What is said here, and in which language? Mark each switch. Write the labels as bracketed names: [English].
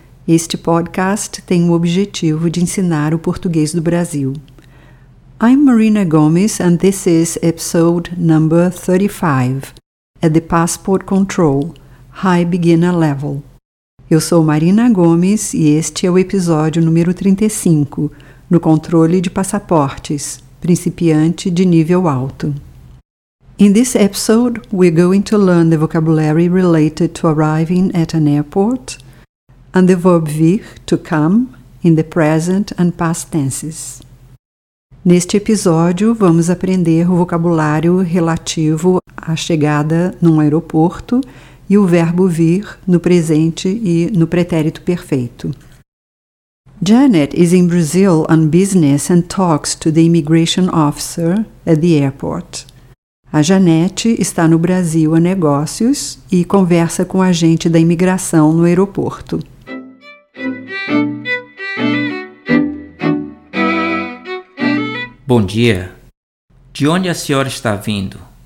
[Portuguese] Este podcast tem o objetivo de ensinar o português do Brasil. [English] I'm Marina Gomes and this is episode number 35, at the Passport Control, High Beginner Level. [Portuguese] Eu sou Marina Gomes e este é o episódio número 35, no controle de passaportes, principiante de nível alto. [English] In this episode, we're going to learn the vocabulary related to arriving at an airport and the verb vir, to come, in the present and past tenses. [Portuguese] Neste episódio, vamos aprender o vocabulário relativo à chegada num aeroporto e o verbo vir no presente e no pretérito perfeito. [English] Janet is in Brazil on business and talks to the immigration officer at the airport. [Portuguese] A Janete está no Brasil a negócios e conversa com o agente da imigração no aeroporto. Bom dia. De onde a senhora está vindo?